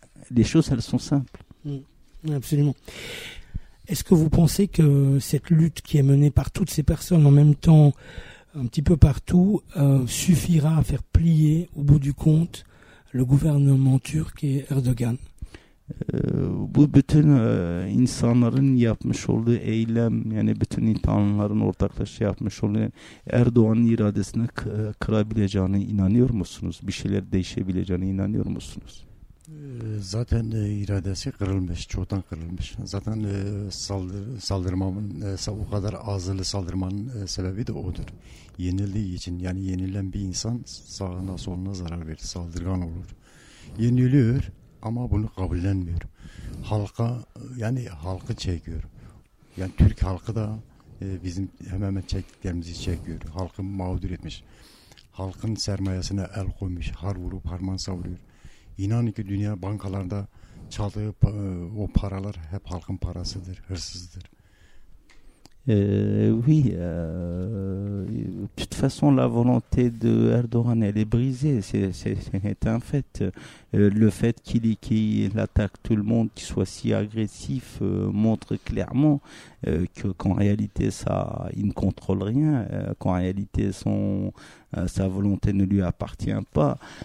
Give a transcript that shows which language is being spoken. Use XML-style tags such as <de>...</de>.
<fr>Les choses, elles sont simples. Absolument. Est-ce que vous pensez que cette lutte qui est menée par toutes ces personnes en même temps, un petit peu partout, suffira à faire plier, au bout du compte, le gouvernement turc et Erdogan?</fr> <tr>Bu bütün insanların yapmış olduğu eylem, yani bütün insanların ortaklaşa yapmış olduğu Erdoğan'ın iradesini kırabileceğine inanıyor musunuz? Bir şeyler değişebileceğine inanıyor musunuz? Zaten iradesi kırılmış, çoktan kırılmış. Zaten saldırmamın o kadar ağzılı saldırmanın sebebi de odur. Yenildiği için, yani yenilen bir insan sağına soluna zarar verir, saldırgan olur. Yeniliyor ama bunu kabullenmiyor. Halka, yani halkı çekiyor. Yani Türk halkı da bizim hemen hemen çektiklerimizi çekiyor. Halkı mağdur etmiş. Halkın sermayesine el koymuş, har vurup harman savuruyor. İnanın ki dünya bankalarında çaldığı o paralar hep halkın parasıdır, hırsızdır.</tr> <fr>Oui, de toute façon, la volonté de Erdogan, elle est brisée, c'est un fait. Le fait qu'il attaque tout le monde, qu'il soit si agressif, montre clairement qu'en réalité, ça, il ne contrôle rien, qu'en réalité, sa volonté ne lui appartient pas.</fr>